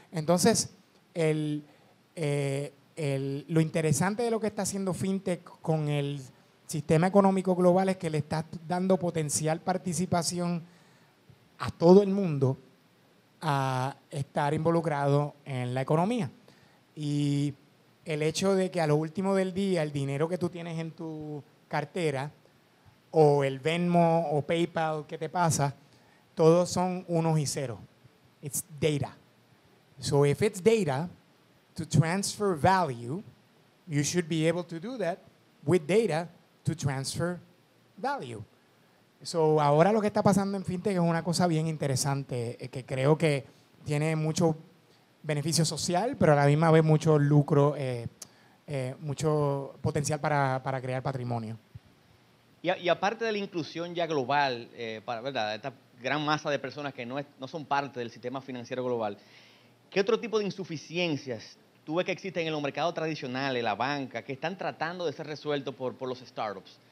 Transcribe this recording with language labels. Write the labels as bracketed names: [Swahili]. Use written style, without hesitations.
[Spanish] Entonces, lo interesante de lo que está haciendo FinTech con el sistema económico global es que le está dando potencial participación a todo el mundo a estar involucrado en la economía. Y el hecho de que a lo último del día el dinero que tú tienes en tu cartera o el Venmo o PayPal que te pasa, todos son unos y ceros. [English] It's data. So if it's data to transfer value, you should be able to do that with data to transfer value. [Spanish] So ahora lo que está pasando en FinTech es una cosa bien interesante, que creo que tiene mucho beneficio social, pero a la misma vez mucho lucro, mucho potencial para crear patrimonio. Y aparte de la inclusión ya global, para, ¿verdad?, esta gran masa de personas que no son parte del sistema financiero global, ¿qué otro tipo de insuficiencias tú ves que existen en los mercados tradicionales, en la banca, que están tratando de ser resueltos por los startups?